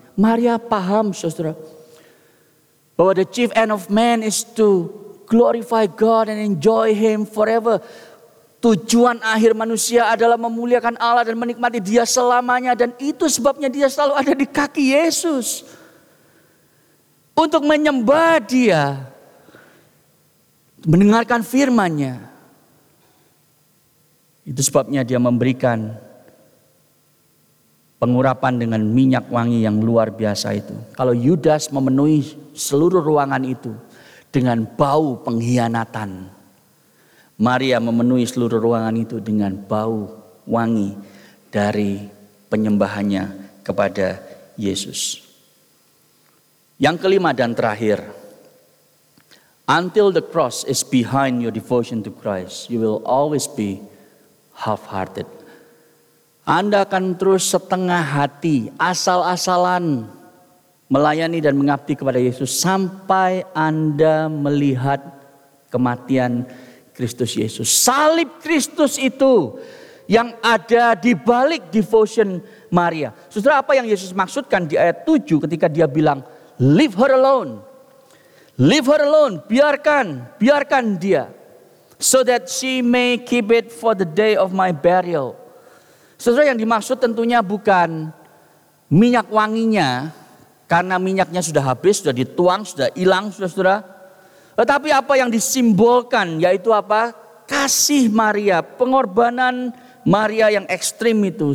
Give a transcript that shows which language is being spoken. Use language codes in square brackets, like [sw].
[id] Maria paham, saudara, bahwa [en] the chief end of man is to glorify God and enjoy Him forever. [id] Tujuan akhir manusia adalah memuliakan Allah dan menikmati Dia selamanya, dan itu sebabnya dia selalu ada di kaki Yesus untuk menyembah Dia, mendengarkan firman-Nya. Itu sebabnya Dia memberikan pengurapan dengan minyak wangi yang luar biasa itu. Kalau Yudas memenuhi seluruh ruangan itu dengan bau pengkhianatan, Maria memenuhi seluruh ruangan itu dengan bau wangi dari penyembahannya kepada Yesus. Yang kelima dan terakhir, [en] until the cross is behind your devotion to Christ, you will always be half-hearted. [id] Anda akan terus setengah hati, asal-asalan melayani dan mengabdi kepada Yesus sampai Anda melihat kematian Kristus Yesus. Salib Kristus itu yang ada di balik devotion Maria. Saudara, apa yang Yesus maksudkan di ayat 7 ketika Dia bilang, [en] leave her alone. Leave her alone, [id] biarkan dia. [en] So that she may keep it for the day of my burial. [id] Saudara, yang dimaksud tentunya bukan minyak wanginya, karena minyaknya sudah habis, sudah dituang, sudah hilang, saudara. Tetapi apa yang disimbolkan, yaitu apa? Kasih Maria, pengorbanan Maria yang ekstrim itu.